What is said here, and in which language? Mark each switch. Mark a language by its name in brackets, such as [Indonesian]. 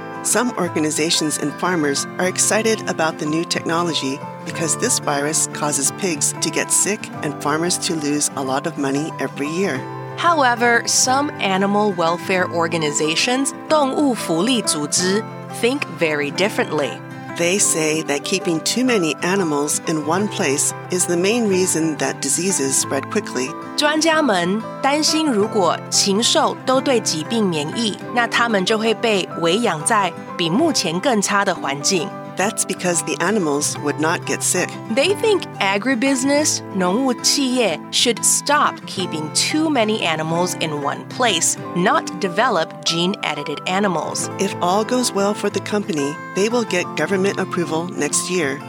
[English] Some organizations and farmers are excited about the new technology because this virus causes pigs to get sick and farmers to lose a lot of money every year. However, some animal welfare organizations, 动物福利组织, think very differently. They say that keeping too many animals in one place is the main reason that diseases spread quickly. [Chinese] 专家们担心如果禽兽都对疾病免疫，那他们就会被喂养在比目前更差的环境。 [English] That's because the animals would not get sick. They think agribusiness, 农务企业, should stop keeping too many animals in one place, not develop gene-edited animals. If all goes well for the company, they will get government approval next year.